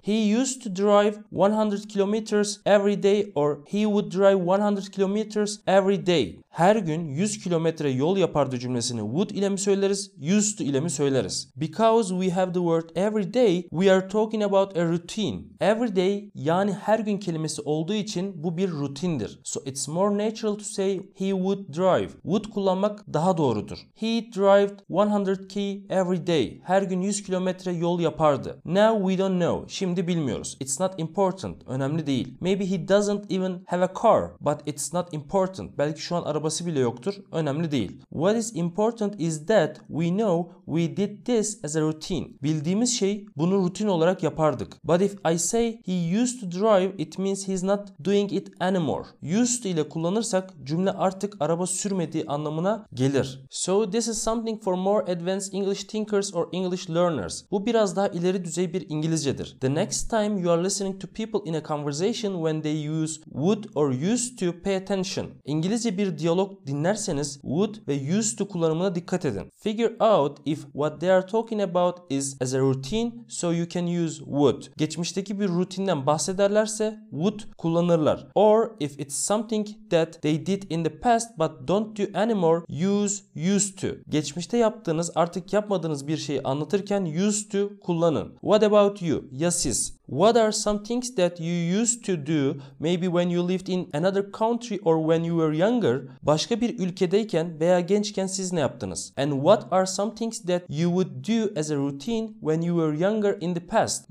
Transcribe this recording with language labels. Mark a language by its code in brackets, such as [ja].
[en] He used to drive 100 kilometers every day or he would drive 100 kilometers every day. [tr] Her gün 100 kilometre yol yapardı cümlesini would ile mi söyleriz, used to ile mi söyleriz? [en] Because we have the word every day, we are talking about a routine. [tr] Every day yani her gün kelimesi olduğu için bu bir rutindir. [en] So it's more natural to say he would drive. [tr] Would kullanmak daha doğrudur. [en] He drove 100 km every day. [tr] Her gün 100 kilometre yol yapardı. [en] Now we don't know. [tr] Şimdi bilmiyoruz. [en] It's not important. [tr] Önemli değil. [en] Maybe he doesn't even have a car, but it's not important. [tr] Belki şu an arabası bile yoktur. Önemli değil. [en] What is important is that we know we did this as a routine. [tr] Bildiğimiz şey bunu rutin olarak yapardık. [en] But if I say he used to drive, it means he's not doing it anymore. [tr] Used ile kullanırsak cümle artık araba sürmediği anlamına gelir. [en] So this is something for more advanced English thinkers or English learners. [tr] Bu biraz daha ileri düzey bir İngilizcedir. [en] The next time you are listening to people in a conversation when they use would or used to, pay attention. [tr] İngilizce bir diyalog dinlerseniz would ve used to kullanımına dikkat edin. [en] Figure out if what they are talking about is as a routine so you can use would. [tr] Geçmişteki bir rutinden bahsederlerse would kullanırlar. [en] Or if it's something that they did in the past but don't do anymore, use used to. [tr] Geçmişte yaptığınız, artık yapmadığınız bir şeyi anlatırken used to kullanın. [en] What about you? [tr] Ya siz? [en] What are some things that you used to do maybe when you lived in another country or when you were younger? [tr] Başka bir ülkedeyken veya gençken siz ne yaptınız? [en] And what are some things that you would do as a routine when you were younger in the past?